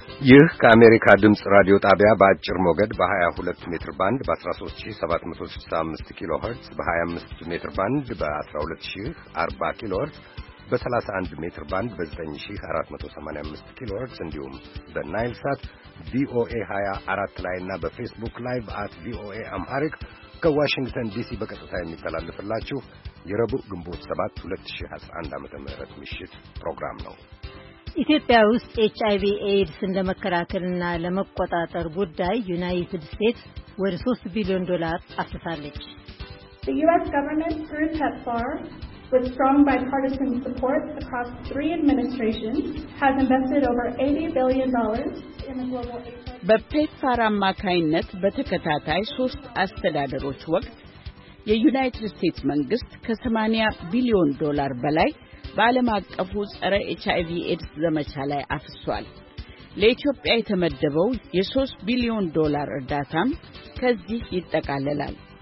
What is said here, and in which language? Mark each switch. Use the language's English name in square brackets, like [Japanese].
[Amharic] ይህ ከአሜሪካ ድምጽ ራዲዮ ጣቢያ በአጭር ሞገድ በ22 ሜትር ባንድ በ13765 ኪሎ ሄርትስ በ25 ሜትር ባንድ በ12040 ኪሎ ሄርትስ በ31 ሜትር ባንድ በ9485 ኪሎ ሄርትስ እንዲሁም በናይል ሳት ቪኦኤ 24 ላይና በፌስቡክ ላይቭ አት ቪኦኤ አምሃሪክ ከዋሽንግተን ዲሲ በቀጥታ የሚተላለፍላችሁ የረቡዕ ግንቦት 7 2011 ዓ.ም ምሽት ፕሮግራም ነው። ኢትዮጵያ ውስጥ ኤችአይቪ ኤድስ እንደመከላከልና ለመቆጣጠር ጉዳይ ዩናይትድ ስቴትስ ወደ 3 ቢሊዮን ዶላር አፍሳለች። [English] The US government through PEPFAR with strong bipartisan support across three administrations has invested over $80 billion in the global effort. [Amharic] በPEPFAR አማካይነት በተከታታይ 3 አስተዳደሮች ወቅት የዩናይትድ ስቴትስ መንግስት ከ80 ቢሊዮን ዶላር በላይ በዓለም አቀፉ ጸረ ኤችአይቪ ኤድስ ዘመቻ ላይ አፍሷል። ለኢትዮጵያ የተመደበው የ3 ቢሊዮን ዶላር እርዳታም ከዚህ ይጠቃለላል።